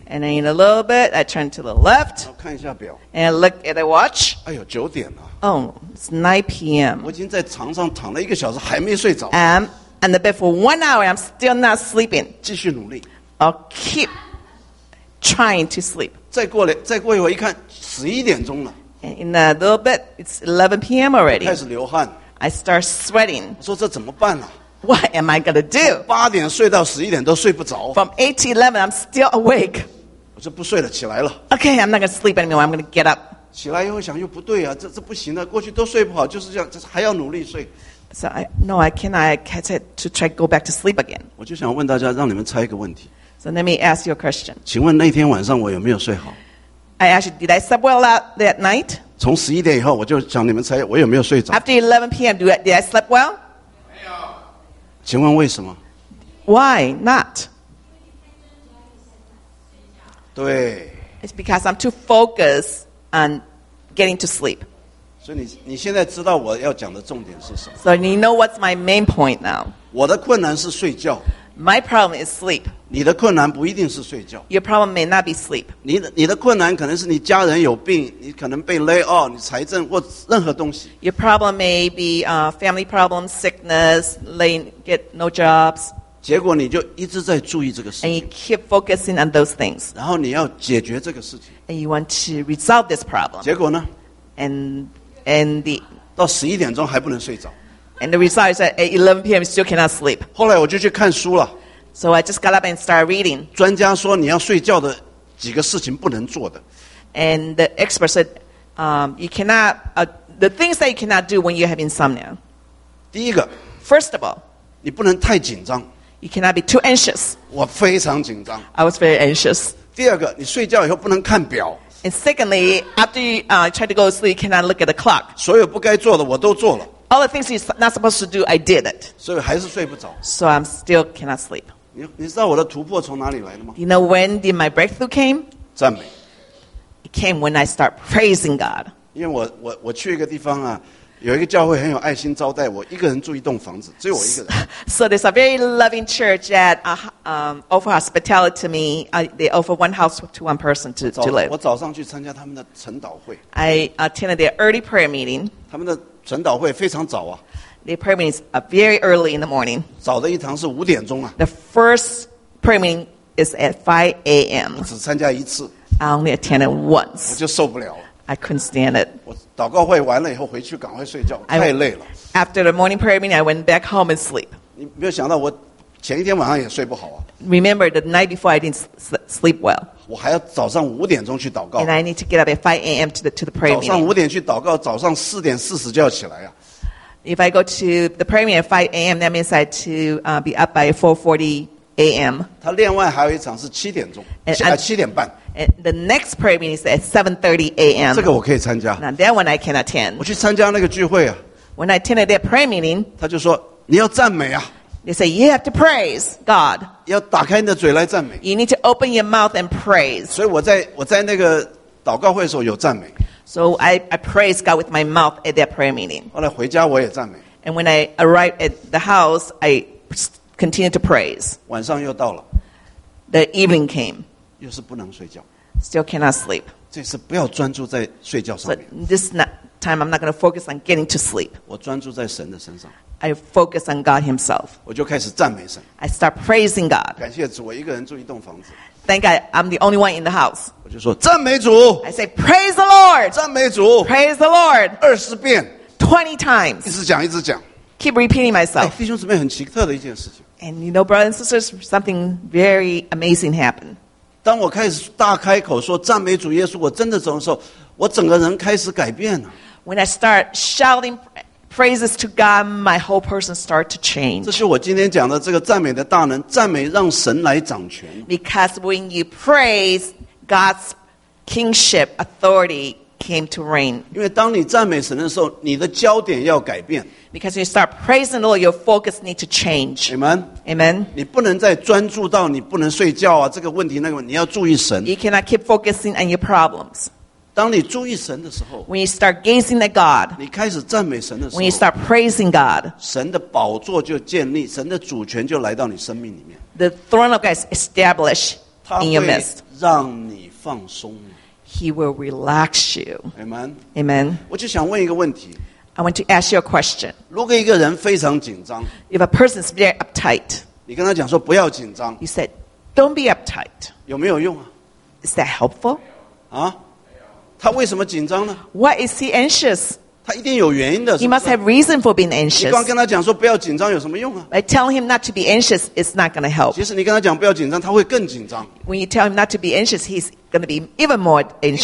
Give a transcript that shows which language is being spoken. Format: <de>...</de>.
<en>And then in a little bit, I turn to the left.</en> <zh>看一下表。</zh> <en>And I look at the watch.</en> <zh>哎呦，九点了。</zh> <en>Oh, it's 9 p.m.</en> <zh>我已经在床上躺了一个小时，还没睡着。</zh> <en>I'm in the bed for 1 hour. I'm still not sleeping.</en> <zh>继续努力。</zh> <en>I'll keep trying to sleep.</en> <zh>再过一会一看，11点钟了。</zh> <en>And in a little bit, it's 11 p.m. already.</en> <zh>开始流汗。</zh> <en>I start sweating.</en> <zh>我说这怎么办啊？</zh> <en>What am I gonna do?</en> <zh>八点睡到十一点都睡不着。</zh> <en>From 8 to 11, I'm still awake.</en> <zh>我说不睡了，起来了。</zh> <en>Okay, I'm not gonna sleep anymore. I'm gonna get up.</en> <zh>起来以后想又不对啊，这不行的，过去都睡不好，就是这样，还要努力睡。</zh> <en>So I catch it to try go back to sleep again.</en> <zh>我就想问大家，让你们猜一个问题。</zh> <en>So let me ask you a question.</en> <zh>请问那天晚上我有没有睡好</zh> <en>？I asked you, did I sleep well that night?</en> <zh>从十一点以后，我就想你们猜我有没有睡着。</zh> <en>After 11 p.m., did I sleep well?</en> <zh>请问为什么</zh> <en>？Why not？</en> <zh>对。</zh> <en>It's because I'm too focused on getting to sleep.</en> <zh>所以你现在知道我要讲的重点是什么</zh> <en>？So you know what's my main point now.</en> <zh>我的困难是睡觉。</zh> <en>My problem is sleep.</en> <zh>你的困难不一定是睡觉。</zh> <en>Your problem may not be sleep.</en> <zh>你的困难可能是你家人有病，你可能被 lay off， 你财政或任何东西。</zh> <en>Your problem may be family problems, sickness, get no jobs.</en> <zh>结果你就一直在注意这个事情。</zh> <en>And you keep focusing on those things.</en> <zh>然后你要解决这个事情。</zh> <en>And you want to resolve this problem.</en> <zh>结果呢</zh> <en>？And</en> <zh>到十一点钟还不能睡着。</zh> <en>And the result is that at 11 p.m. still cannot sleep.</en> <zh>后来我就去看书了。</zh> <en>So I just got up and started reading.</en> <zh>专家说你要睡觉的几个事情不能做的。</zh> <en>And the expert said, you cannot, the things that you cannot do when you have insomnia.</en> <zh>第一个。</zh> <en>First of all.</en> <zh>你不能太紧张。</zh> <en>You cannot be too anxious.</en> <zh>我非常紧张。</zh> <en>I was very anxious.</en> <zh>第二个，你睡觉以后不能看表。</zh> <en>And secondly, after you, try to go to sleep, you cannot look at the clock.</en> <zh>所有不该做的我都做了。</zh> <en>All the things he's not supposed to do, I did it.</en> <zh>所以还是睡不着。</zh> <en>So I'm still cannot sleep.</en> <zh>你知道我的突破从哪里来的吗</zh> <en>？You know when did my breakthrough came?</en> <zh>赞美。</zh> <en>It came when I start praising God.</en> <zh>因为我去一个地方啊，有一个教会很有爱心招待我，一个人住一栋房子，只有我一个人。</zh> <en>So there's a very loving church that offer hospitality to me. They offer one house to one person to live.</en> <zh>我早上去参加他们的晨祷会。</zh> <en>I attended their early prayer meeting.</en> <zh>他们的晨祷会非常早啊。</zh> <en>The prayer meeting is very early in the morning.</en> <zh>早的一堂是五点钟啊。</zh> <en>The first prayer meeting is at 5 a.m.</en> <zh>我只参加一次。</zh> <en>I only attended once.</en> <zh>我就受不了。</zh> <en>I couldn't stand it.</en> <zh>我祷告会完了以后回去赶快睡觉，太累了。</zh> <en>After the morning prayer meeting, I went back home and sleep.</en> <zh>你没有想到我前一天晚上也睡不好啊。</zh> <en>Remember the night before I didn't sleep well.</en> <zh>我还要早上五点钟去祷告。</zh> <en>And I need to get up at 5 a.m. to the prayer meeting.</en> <zh>早上五点去祷告，早上四点四十就要起来啊。</zh> <en>If I go to the prayer meeting at 5 a.m., that means I have to be up by 4:40 a.m.</en> <zh>他另外还有一场是七点钟，七点半。</zh> <en>And the next prayer meeting is at 7:30 a.m.</en> <zh>这个我可以参加。</zh> <en>Now that one I can attend.</en> <zh>我去参加那个聚会啊。</zh> <en>When I attended that prayer meeting,</en> <zh>他就说你要赞美啊。</zh> <en>They say you have to praise God.</en> <zh>要打开你的嘴来赞美。</zh> <en>You need to open your mouth and praise.</en> <zh>所以我在那个祷告会的时候有赞美。</zh> <en>So I praise God with my mouth at that prayer meeting.</en> <zh>后来回家我也赞美。</zh> <en>And when I arrived at the house, I continued to praise.</en> <zh>晚上又到了。</zh> <en>The evening came.</en> <zh>又是不能睡觉。</zh> <en>Still cannot sleep.</en> <zh>这次不要专注在睡觉上面。</zh> <en>So this night. Time, I'm not going to focus on getting to sleep.</en> <zh>我专注在神的身上。</zh> <en>I focus on God Himself.</en> <zh>我就开始赞美神。</zh> <en>I start praising God.</en> <zh>感谢主，我一个人住一栋房子。</zh> <en>Thank God, I'm the only one in the house.</en> <zh>我就说赞美主。</zh> <en>I say praise the Lord.</en> <zh>赞美主。</zh> <en>Praise the Lord.</en> <zh>二十遍。</zh> <en>20 times.</en> <zh>一直讲，一直讲。</zh> <en>Keep repeating myself.</en> <zh>弟兄姊妹，很奇特的一件事情。</zh> <en>And you know, brothers and sisters, something very amazing happened.</en> <zh>当我开始大开口说赞美主耶稣，我真的走的时候，我整个人开始改变了。</zh> <en>When I start shouting praises to God, my whole person starts to change.</en> <zh>这是我今天讲的这个赞美的大能，赞美让神来掌权。</zh> <en>Because when you praise, God's kingship, authority came to reign.</en> <zh>因为当你赞美神的时候，你的焦点要改变。</zh> <en>Because when you start praising the Lord, your focus needs to change. Amen. Amen.</en> <zh>你不能再专注到你不能睡觉啊，这个问题那个，你要注意神。</zh> <en>You cannot keep focusing on your problems.</en> <zh>当你注意神的时候</zh> <en>When you start gazing at God</en> <zh>你开始赞美神的时候</zh> <en>When you start praising God</en> <zh>神的宝座就建立神的主权就来到你生命里面</zh> <en>The throne of God is established in your midst</en> <zh>他会让你放松</zh> <en>He will relax you Amen Amen</en> <zh>我就想问一个问题</zh> <en>I want to ask you a question</en> <zh>如果一个人非常紧张</zh> <en>If a person is very uptight</en> <zh>你跟他讲说不要紧张</zh> <en>You said don't be uptight</en> <zh>有没有用啊</zh> <en>Is that helpful?</en> <zh>啊他为什么紧张呢</zh> <en>Why is he anxious?</en> <zh>他一定有原因的</zh> <en>He must have reason for being anxious</en> <zh>你光跟他讲说不要紧张有什么用啊</zh> <en>By telling him not to be anxious it's not going to help</en> <zh>其实你跟他讲不要紧张他会更紧张</zh> <en>When you tell him not to be anxious he's going to be even more anxious</en>